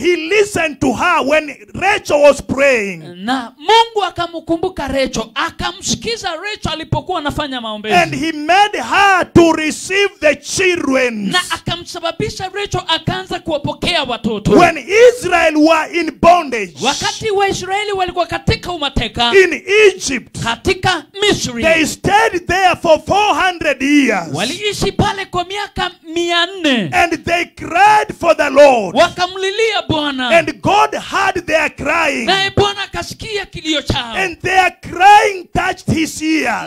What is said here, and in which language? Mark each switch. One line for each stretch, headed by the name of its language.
English: He listened to her when Rachel was praying.
Swahili: Na Mungu akamkumbuka Rachel, akamsikiza Rachel alipokuwa anafanya maombezi.
English: And he made her to receive the children.
Swahili: Na akamsababisha Rachel akaanza kuwapokea watoto.
English: When Israel were in bondage.
Swahili: Wakati wa Israeli walikuwa katika umateka.
English: In Egypt.
Swahili: Katika Misri.
English: They stayed there for 400 years.
Swahili: Waliishi pale kwa miaka 400.
English: And they cried for the Lord.
Swahili: Wakamlilia Bwana.
English: And God heard their crying.
Swahili: Na Bwana akasikia kilio chao.
English: And their crying touched his ears.